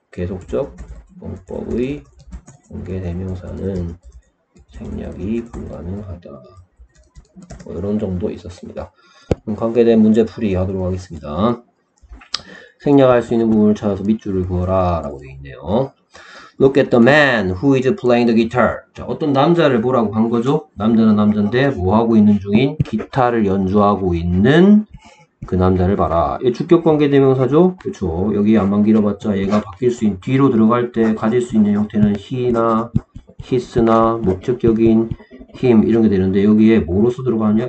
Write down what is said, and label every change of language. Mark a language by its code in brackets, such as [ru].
[ko] 계속적 문법의 관계대명사는 생략이 불가능하다. 이런 정도 있었습니다. 그럼 관계된 문제 풀이 하도록 하겠습니다. 생략할 수 있는 부분을 찾아서 밑줄을 그어라. 라고 되어 있네요. [en] Look at the man who is playing the guitar. [ko] 자, 어떤 남자를 보라고 한 거죠? 남자는 남잔데 뭐 하고 있는 중인? 기타를 연주하고 있는 그 남자를 봐라. 얘 주격 관계대명사죠? 그렇죠. 여기 안만 길어봤자 얘가 바뀔 수 있는 뒤로 들어갈 때 가질 수 있는 형태는 he나 his나 목적격인 him 이런 게 되는데 여기에 뭐로써 들어가느냐?